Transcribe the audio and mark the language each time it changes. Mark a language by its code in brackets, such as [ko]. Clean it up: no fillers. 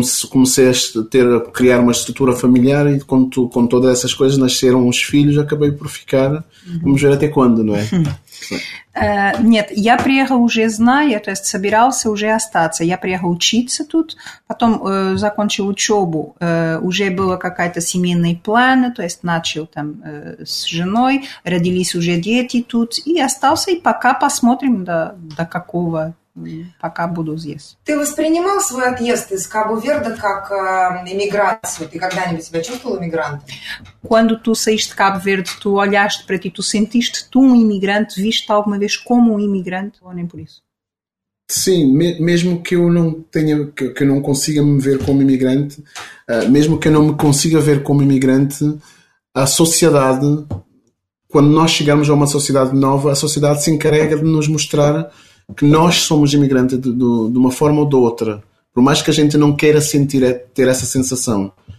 [pt] comecei a criar uma estrutura familiar e com todas essas coisas nasceram os filhos, acabei por ficar. Uhum. Vamos ver até quando, não é? [ru] Нет, я приехал уже, зная, то есть собирался уже остаться. Я приехал учиться тут, потом закончил учебу, уже была какая-то семейная плана, то есть начал там с женой, родились уже дети тут, и остался, и пока посмотрим, до какого, пока буду здесь. Ты воспринимал свой отъезд из Кабо-Верде как эмиграцию? Ты когда-нибудь себя чувствовал эмигрантом? [pt] Quando tu saíste de Cabo Verde, tu olhaste para ti, tu sentiste-te um imigrante, viste-te alguma vez como um imigrante ou nem por isso? Sim, mesmo que eu não tenha, que eu não consiga me ver como imigrante, mesmo que eu não me consiga ver como imigrante, a sociedade, quando nós chegamos a uma sociedade nova, a sociedade se encarrega de nos mostrar que nós somos imigrantes de uma forma ou de outra, por mais que a gente não queira sentir, ter essa sensação.